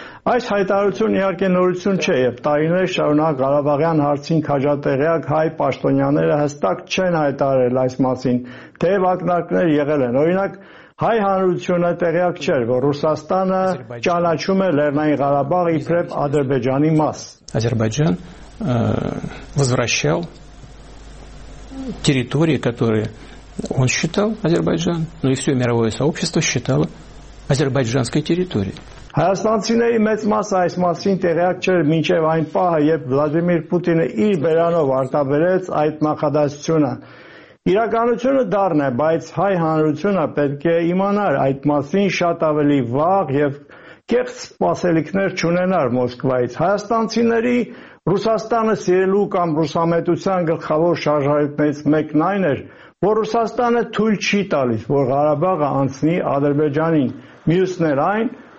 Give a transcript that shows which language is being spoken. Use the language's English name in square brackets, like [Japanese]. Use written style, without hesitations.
[Armenian] Այս հայտարարությունն իհարկե նորություն չէ և տարիներ շարունակ Ղարաբաղյան հարցին քաջատեղյակ հայ պաշտոնյաները հստակ չեն հայտարարել այս մասին, թեև ակնարկներ եղել են։ Օրինակ, հայ հանրությունը տեղյակ չէր, որ Ռուսաստանը ճանաչում է Լեռնային Ղարաբաղ իբրև Ադրբեջանի մաս։ [Russian] Ադրբեջան возвращал территории, которые он считал Азербайджан, но и всё мировое сообщество считало азербайджанской территорией. [Armenian] Հայաստանցիների մեծ մասը այս մասին տեղյակ չէր մինչև այն պահը, երբ Վլադիմիր Պուտինը իր բերանով արտաբերեց այդ նախադասությունը։ Իրականությունը դառն է, բայց հայ հանրությունը պետք է իմանար այդ մասին շատ ավելի վաղ և կեղծ սպասելիքներ չունենար Մոսկվայից։ Հայաստանցիների Ռուսաստանը սիրելու կամ ռուսամետության գլխավոր շարժարիտներից մեկն այն էր, որ Ռուսաստանը թույլ չի տալիս, որ Ղարաբաղը անցնի Ադրբեջանին, մյուսն էր այն,